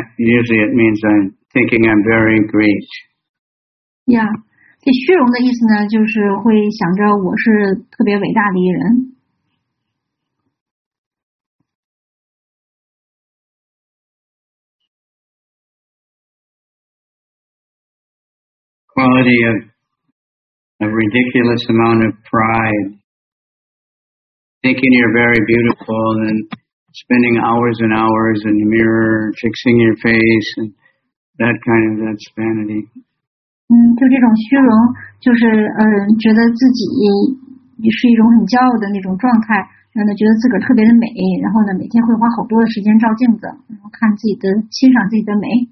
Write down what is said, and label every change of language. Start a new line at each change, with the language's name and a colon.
English: Usually, it means I'm thinking I'm very great. Yeah.
Chinese: 这虚荣的意思呢，就是会想着我是特别伟大的一人。
English: Quality of a ridiculous amount of pride, thinking you're very beautiful, and then spending hours and hours in the mirror fixing your face, and that kind of that's vanity.
Chinese: 就这种虚荣，就是觉得自己是一种很骄傲的那种状态，然后觉得自个儿特别的美，然后呢每天会花好多的时间照镜子，然后看自己的欣赏自己的美。